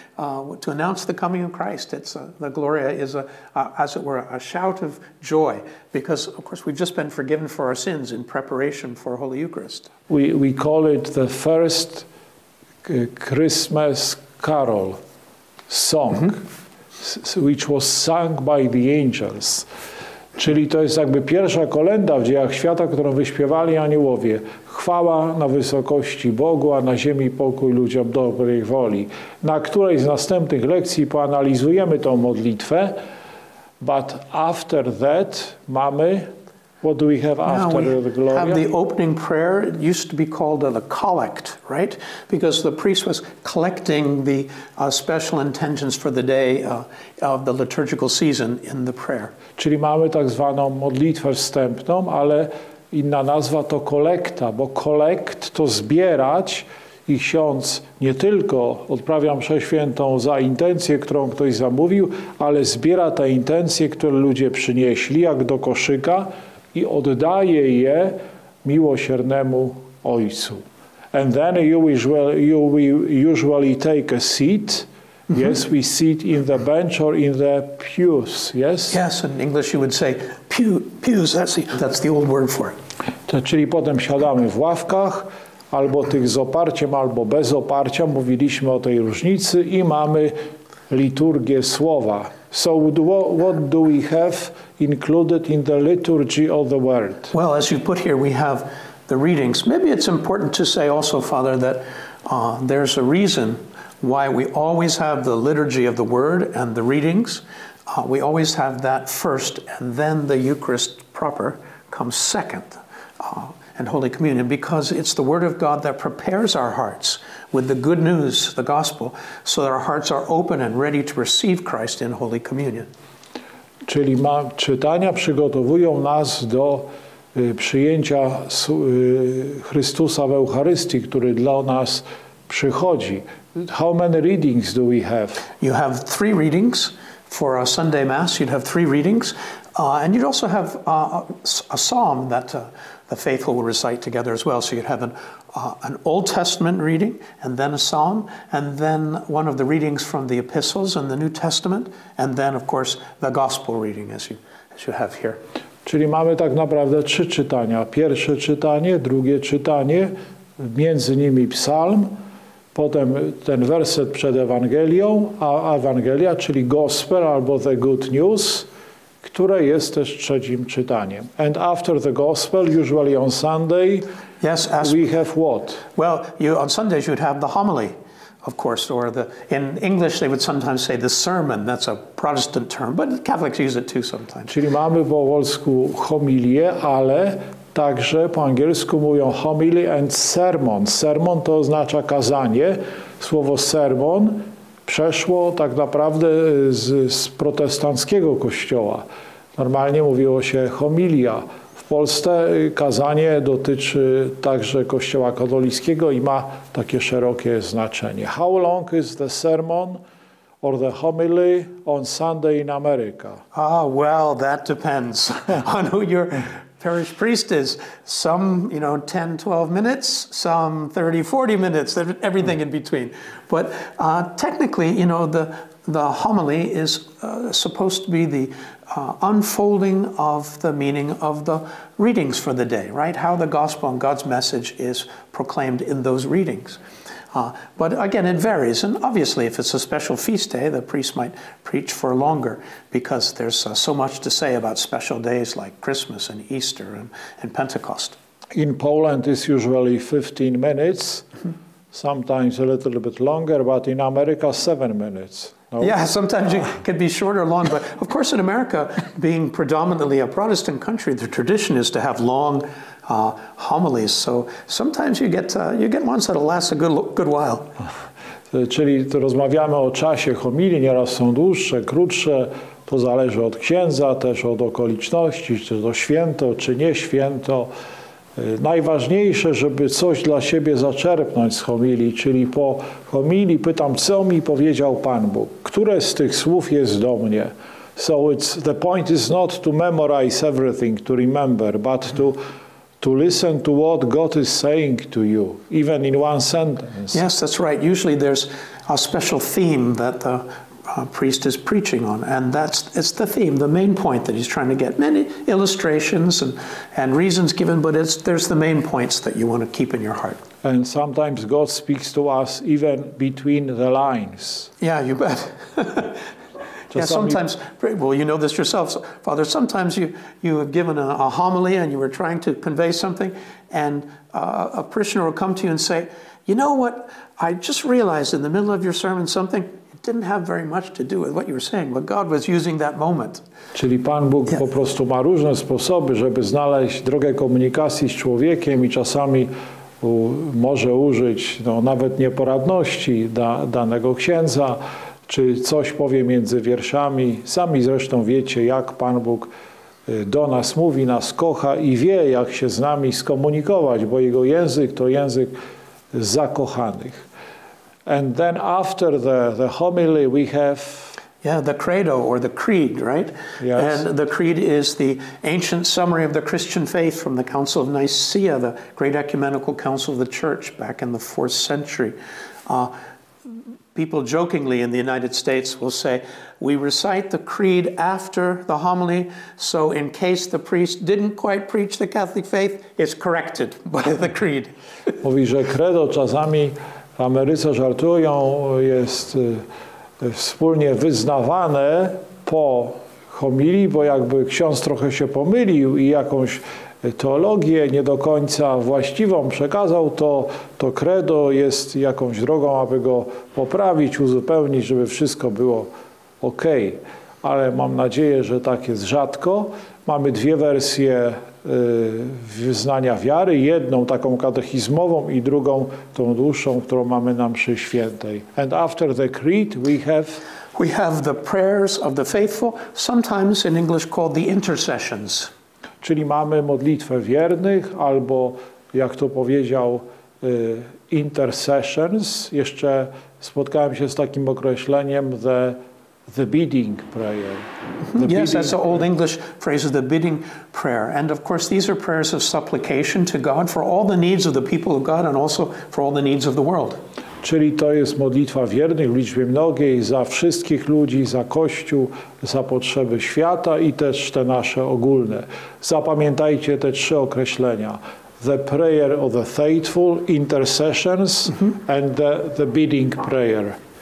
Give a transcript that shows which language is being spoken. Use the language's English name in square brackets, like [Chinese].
[English] To announce the coming of Christ. It's the Gloria is a shout of joy because, of course, we've just been forgiven for our sins in preparation for Holy Eucharist. We call it the first Christmas carol song, which was sung by the angels. [Polish] Czyli to jest jakby pierwsza kolęda w dziejach świata, którą wyśpiewali aniołowie. Chwała na wysokości Bogu, a na ziemi pokój ludziom dobrej woli. Na której z następnych lekcji poanalizujemy tą modlitwę. [English] But after that [Polish] mamy... [English] What do we have after the Gloria? We have the opening prayer. It used to be called the collect, right? Because the priest was collecting the special intentions for the day of the liturgical season in the prayer. [Polish] Czyli mamy tak zwaną modlitwę wstępną, ale inna nazwa to kolekta, bo collect to zbierać i ksiądz nie tylko odprawia mszę świętą za intencję, którą ktoś zamówił, ale zbiera te intencje, które ludzie przynieśli, jak do koszyka, i oddaje je miłosiernemu Ojcu. [English] And then you usually take a seat. Mm-hmm. Yes, we sit in the bench or in the pews, yes? Yes, in English you would say pews, that's the old word for it. [Polish] To, czyli potem siadamy w ławkach, albo tych z oparciem, albo bez oparcia. Mówiliśmy o tej różnicy i mamy liturgię słowa. [English] So what do we have included in the liturgy of the word? Well, as you put here, we have the readings. Maybe it's important to say also, Father, that there's a reason why we always have the liturgy of the word and the readings. We always have that first, and then the Eucharist proper comes second, and Holy Communion, because it's the word of God that prepares our hearts with the good news, the gospel, so that our hearts are open and ready to receive Christ in Holy Communion. [Polish] Czyli czytania przygotowują nas do przyjęcia Chrystusa w Eucharystii, który dla nas przychodzi. [English] How many readings do we have? You have three readings for a Sunday Mass. You'd have three readings. And you'd also have a psalm that the faithful will recite together as well. So you'd have an Old Testament reading, and then a psalm, and then one of the readings from the epistles and the New Testament, and then, of course, the gospel reading, as you have here. [Polish] Czyli mamy tak naprawdę trzy czytania. Pierwsze czytanie, drugie czytanie, między nimi psalm, potem ten werset przed Ewangelią, a Ewangelia, czyli gospel albo [English] the good news, [Polish] które jest też trzecim czytaniem. [English] And after the gospel, usually on Sunday, yes, we have what? Well, on Sundays you'd have the homily, of course, or in English they would sometimes say the sermon. That's a Protestant term, but Catholics use it too sometimes. [Polish] Czyli mamy po polsku homilię, ale także po angielsku mówią [English] homily and sermon. [Polish] Sermon to oznacza kazanie. Słowo sermon przeszło tak naprawdę z protestanckiego kościoła. Normalnie mówiło się homilia. W Polsce kazanie dotyczy także Kościoła katolickiego i ma takie szerokie znaczenie. [English] How long is the sermon or the homily on Sunday in America? Ah, well, that depends on who your parish priest is. Some, you know, 10, 12 minutes, some 30, 40 minutes, everything in between. But technically, you know, the homily is supposed to be the unfolding of the meaning of the readings for the day, right? How the gospel and God's message is proclaimed in those readings. But again, it varies. And obviously, if it's a special feast day, the priest might preach for longer because there's so much to say about special days like Christmas and Easter and Pentecost. In Poland, it's usually 15 minutes, sometimes a little bit longer, but in America, 7 minutes. Nope. Yeah, sometimes it can be short or long. But of course, in America, being predominantly a Protestant country, the tradition is to have long homilies. So sometimes you get ones that'll last a good while. [Polish] Czyli to rozmawiamy o czasie homilii. Nieraz są dłuższe, krótsze. To zależy od księdza, też od okoliczności, czy to święto, czy nie święto. Najważniejsze, żeby coś dla siebie zaczerpnąć z homilii, czyli po homilii pytam, co mi powiedział Pan Bóg, które z tych słów jest do mnie. [English] So it's, the point is not to memorize everything, to remember, but to listen to what God is saying to you, even in one sentence. Yes, that's right. Usually there's a special theme that the priest is preaching on, and it's the theme, the main point that he's trying to get. Many illustrations and reasons given, but there's the main points that you want to keep in your heart. And sometimes God speaks to us even between the lines. Yeah, you bet. Yeah, sometimes, well, you know this yourself, Father, sometimes you have given a homily and you were trying to convey something, and a parishioner will come to you and say, you know what, I just realized in the middle of your sermon something didn't have very much to do with what you were saying, but God was using that moment. [Polish] Czyli Pan Bóg po prostu ma różne sposoby, żeby znaleźć drogę komunikacji z człowiekiem i czasami może użyć nawet nieporadności danego księdza, czy coś powie między wierszami. Sami zresztą wiecie, jak Pan Bóg do nas mówi, nas kocha i wie, jak się z nami skomunikować, bo Jego język to język zakochanych. [English] And then after the homily we have... Yeah, the credo or the creed, right? Yes. And the creed is the ancient summary of the Christian faith from the Council of Nicaea, the great ecumenical council of the church back in the 4th century. People jokingly in the United States will say, we recite the creed after the homily, so in case the priest didn't quite preach the Catholic faith, it's corrected by the creed. [Polish] Mówi, że credo czasami... W Ameryce żartują, jest wspólnie wyznawane po homilii, bo jakby ksiądz trochę się pomylił i jakąś teologię nie do końca właściwą przekazał, to credo jest jakąś drogą, aby go poprawić, uzupełnić, żeby wszystko było ok. Ale mam nadzieję, że tak jest rzadko. Mamy dwie wersje wyznania wiary, jedną taką katechizmową i drugą tą dłuższą, którą mamy na mszy świętej. [English] And after the creed we have the prayers of the faithful, sometimes in English called the intercessions. [Polish] Czyli mamy modlitwę wiernych albo, jak to powiedział, intercessions. Jeszcze spotkałem się z takim określeniem [English] the bidding prayer. Yes, that's the old English phrase of the bidding prayer. And of course, these are prayers of supplication to God for all the needs of the people of God and also for all the needs of the world. [Polish] Czyli to jest modlitwa wiernych w liczbie mnogiej za wszystkich ludzi, za Kościół, za potrzeby świata i też te nasze ogólne. Zapamiętajcie te trzy określenia. [English] The prayer of the faithful, intercessions, and the bidding prayer.